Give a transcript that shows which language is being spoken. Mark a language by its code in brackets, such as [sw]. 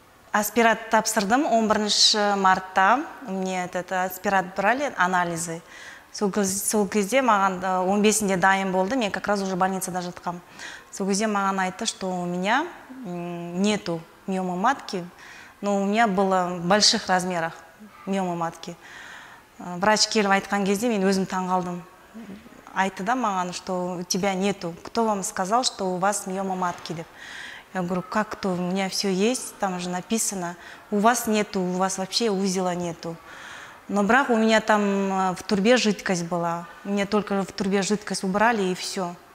[kk] Аспират тапсырдым 11 мартта, [ru] мне этот аспират брали, анализы. [kk] Сол кезде маған 15-де дайын болды, мен [ru] как раз уже [kk] больницада жатқам. Сол кезде маған айтты, [ru] что у меня нету миома матки, но у меня было больших размерах миома матки. [kk] Врач келіп айтқан кезде мен өзім таңғалдым. Айтты да маған, [ru] что у тебя нету. Кто вам сказал, что у вас миома матки деп? Я говорю, как то, у меня все есть, там же написано. У вас нету, у вас вообще узела нету. Но брак, у меня там в трубе жидкость была. Мне только в трубе жидкость убрали и все.